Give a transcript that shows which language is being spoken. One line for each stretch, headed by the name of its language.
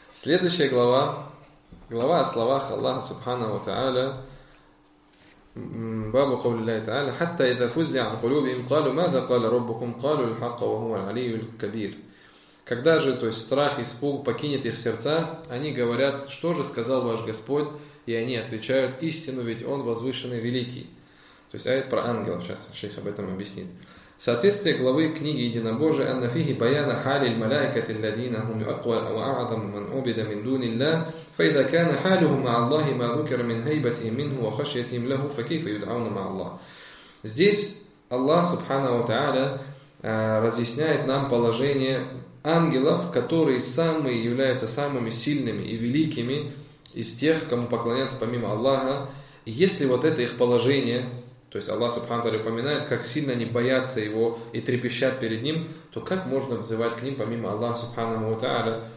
Russian: Следующая глава, глава о словах Аллаха Субхана ва Тааля.
Arabic: Бабу قول الله تعالى: حتى إذا فزع عن قلوبهم قالوا ماذا قال ربكم قالوا الحق وهو العلي الكبير.
Russian: Когда же, то есть страх и испуг покинет их сердца, они говорят: что же сказал ваш Господь? И они отвечают: истину, ведь Он возвышенный, великий. То есть аят про ангелов, сейчас шейх об этом объяснит. Соответствие главы книги Единобожия:
Arabic: أن فيه بيان حال الملائكة الذين هم أقوى وأعظم من عبد من دون الله فإذا كان حالهم مع الله ما ذكر من هيبته منه وخشيته له فكيف يدعون مع الله.
Russian: Здесь Аллах Субхана ва Тааля разъясняет нам положение ангелов, которые самые являются самыми сильными и великими из тех, кому поклоняться помимо Аллаха. И если вот это их положение, то есть Аллах Субхану Тааля упоминает, как сильно они боятся Его и трепещат перед Ним, то как можно взывать к ним помимо Аллаха Субхану Тааля?